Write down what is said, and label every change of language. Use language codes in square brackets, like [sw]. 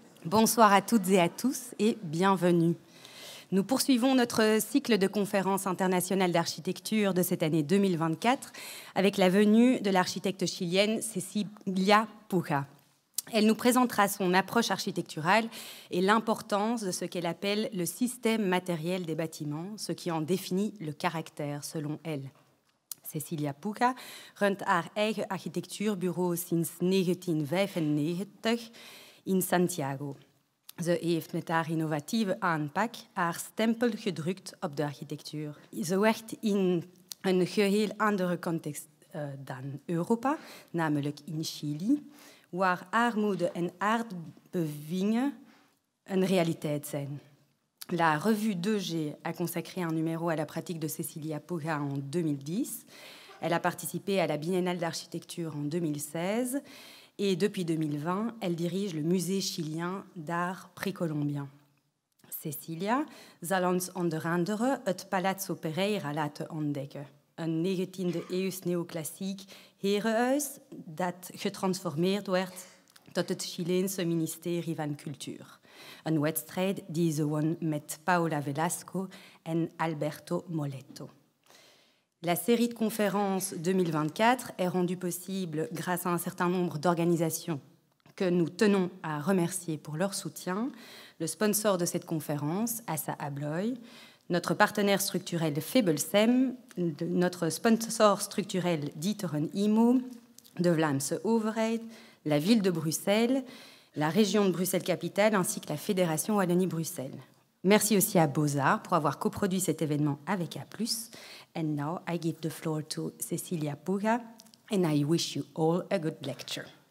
[fr] Bonsoir à toutes et à tous et bienvenue. Nous poursuivons notre cycle de conférences internationales d'architecture de cette année 2024 avec la venue de l'architecte chilienne Cecilia Puga. Elle nous présentera son approche architecturale et l'importance de ce qu'elle appelle le système matériel des bâtiments, ce qui en définit le caractère selon elle. [nl] Cecilia Puga runt haar eigen architectuurbureau sinds 1995 in Santiago. Ze heeft met haar innovatieve aanpak haar stempel gedrukt op de architectuur. Ze werkt in een geheel andere context dan Europa, namelijk in Chili, waar armoede en aardbevingen een realiteit zijn. [fr] La revue 2G a consacré un numéro à la pratique de Cecilia Puga en 2010. Elle a participé à la Biennale d'architecture en 2016 et depuis 2020, elle dirige le musée chilien d'art précolombien. [nl] Cecilia zal ons onder andere het Palazzo Pereira laten ontdekken, een 19e eeuws neoclassiek herenhuis dat getransformeerd werd tot het Chileense ministerie van cultuur. Een wedstrijd die ze won met Paola Velasco en Alberto Moletto. [fr] La série de conférences 2024 est rendue possible grâce à un certain nombre d'organisations que nous tenons à remercier pour leur soutien, le sponsor de cette conférence, Assa Abloy, notre partenaire structurel Febelsem, notre sponsor structurel Dieteren Immo, de Vlaamse Overheid, la ville de Bruxelles, la région de Bruxelles-Capitale ainsi que la Fédération Wallonie-Bruxelles. Merci aussi à Bozar pour avoir coproduit cet événement avec A+. [en] And now I give the floor to Cecilia Puga and I wish you all a good lecture.